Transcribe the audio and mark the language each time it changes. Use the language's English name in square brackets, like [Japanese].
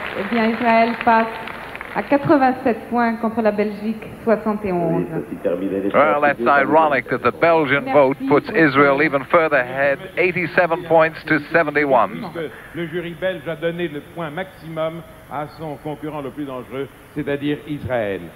[French] Eh bien, Israël passe à 87 points contre la Belgique, 71. [English] Well, that's ironic that the Belgian vote puts Israel even further ahead, 87 points to 71. [French] Le jury belge a donné le point maximum à son concurrent le plus dangereux, c'est-à-dire Israël.